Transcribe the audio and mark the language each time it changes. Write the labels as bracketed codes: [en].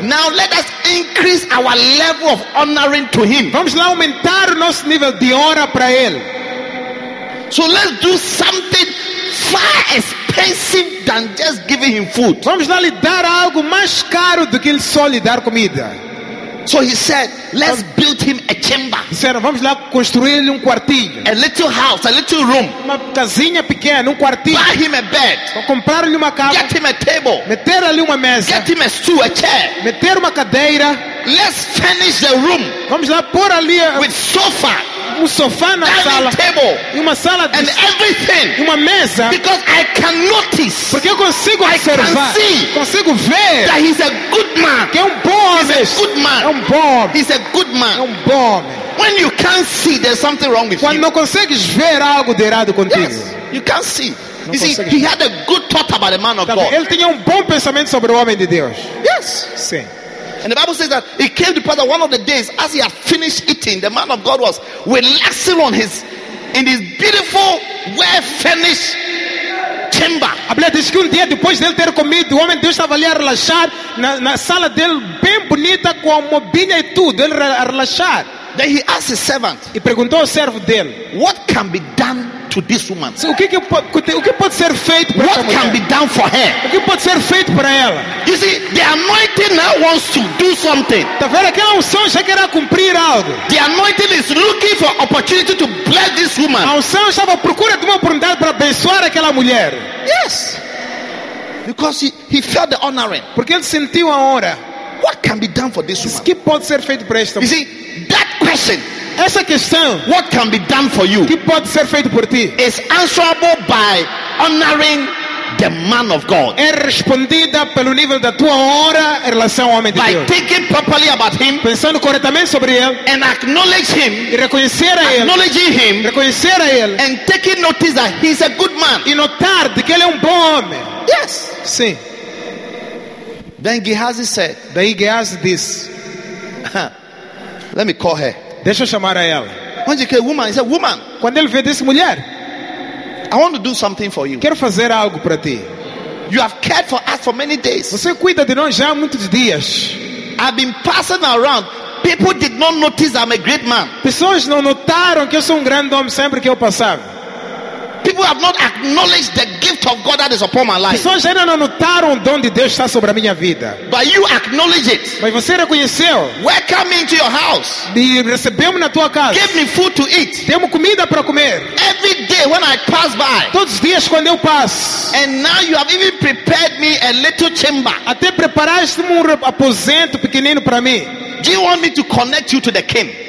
[en] Now let us increase our level of honoring to him. [pt] Vamos lá aumentar o nosso nível de honra para ele. [en] So let's do something far expensive than just giving him food. [pt] Vamos lá lhe dar algo mais caro do que ele só lhe dar comida. [en] So he said, let's build him a chamber. [pt] Disseram, vamos lá construir-lhe um quartinho. [en] A little house, a little room. [pt] Uma casinha pequena, um quartinho. [en] Buy him a bed. [pt] Comprar-lhe uma cama. [en] Get him a table. [pt] Meter ali uma mesa. [en] Get him a stool, a chair. [pt] Meter uma cadeira. [en] Let's finish the room. [pt] Vamos lá pôr ali [en] with sofa. [pt] Um sofá na sala. [en] Table. [pt] Uma sala [en] de... And everything. [pt] Uma mesa. [en] Because I can notice. [pt] Porque eu consigo observar. [en] I can see. [pt] Consigo ver. [en] That he's a good man. [pt] Que é um bom homem. [en] He's a good man. [pt] É um bom homem. [en] He's a good man. [pt] É um bom homem. [en] When you can't see, there's something wrong with [pt] Quando [en] you. [pt] Não consegues ver algo de errado contigo. [en] Yes, you can't see. You see, he had a good thought about a man of God. [pt] Ele tinha um bom pensamento sobre o homem de Deus. [en] Yes. [pt] Sim. [en] And the Bible says that it came to pass that one of the days, as he had finished eating, the man of God was relaxing on his in his beautiful, well furnished chamber. [pt] A Bíblia diz que um dia depois dele ter comido, o homem de Deus estava ali a relaxar na sala dele, bem bonita, com a mobília e tudo, ele a relaxar. [en] Then he asked his servant, [pt] e perguntou ao servo dele, [en] what can be done to this woman? [pt] So, o que pode ser feito para [en] what [pt] mulher? [en] Can be done for her? [pt] O que pode ser feito para ela? [en] You see, the anointing now wants to do something. [pt] Tá vendo? Aquela unção já quer cumprir algo. [en] The anointing is looking for opportunity to bless this woman. [pt] A unção estava procura de uma oportunidade para abençoar aquela mulher. [en] Yes. Because he felt the honoring. [pt] Porque ele sentiu a honra. [en] What can be done for this woman? [pt] O que pode ser feito para esta mulher? [en] You see, that question. [pt] Essa questão, [en] what can be done for you? [pt] Que pode ser feito por ti? [en] Is answerable by honoring the man of God. [pt] É respondida pelo nível da tua honra em relação ao homem de [en] by [pt] Deus. [en] By thinking properly about him, [pt] pensando corretamente sobre ele, [en] and acknowledge him, [pt] e reconhecer a ele, [en] acknowledging him, [pt] reconhecer a ele, [en] and taking notice that he's a good man, [pt] e notar de que ele é um bom homem. [en] Yes. [pt] Sim. [en] Then Gehazi said. [pt] Daí Gehazi diz. [en] Let me call her. [pt] Deixa eu chamar a ela. [en] When you call a woman, he said, woman. [pt] Quando ele vê essa mulher, [en] I want to do something for you. [pt] Quero fazer algo para ti. [en] You have cared for us for many days. [pt] Você cuida de nós já há muitos dias. [en] I've been passing around. People did not notice I'm a great man. [pt] Pessoas não notaram que eu sou um grande homem sempre que eu passava. [en] People have not acknowledged the gift of God that is upon my life. [pt] Pessoas ainda não notaram o dom de Deus está sobre a minha vida. [en] But you acknowledge it. [pt] Mas você reconheceu. [en] Welcome me into your house. [pt] Me recebeu na tua casa. [en] Give me food to eat. [pt] Dê-me comida para comer. [en] Every day when I pass by. [pt] Todos os dias quando eu passo. [en] And now you have even prepared me a little chamber. [pt] Até preparaste-me um aposento pequenino para mim. [en] Do you want me to connect you to the king?